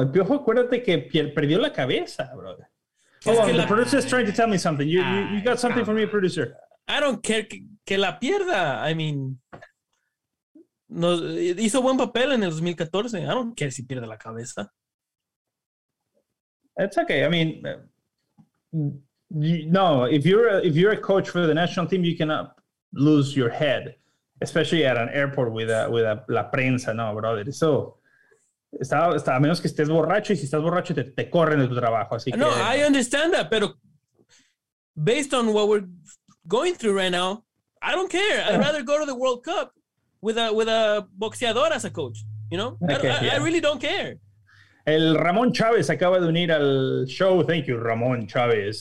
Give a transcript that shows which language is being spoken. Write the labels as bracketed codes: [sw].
[es] El Piojo, acuérdate que perdió la cabeza, brother. [en] Hold on, the producer is trying to tell me something. You got something for me, producer. I don't care [es] que la pierda. [en] I mean... [es] No, hizo buen papel en el 2014. [en] I don't care [es] si pierde la cabeza. [en] It's okay. I mean, if you're a coach for the national team, you cannot lose your head, especially at an airport with [es] la prensa, [en] no, brother. [es] So, está a menos que estés borracho, y si estás borracho te corren de tu trabajo. Así no, que, [en] I understand that, pero based on what we're going through right now, I don't care. I'd rather go to the World Cup. With a boxeador as a coach, you know? I really don't care. [es] El Ramon Chavez acaba de unir al show. [en] Thank you, [es] Ramon Chavez.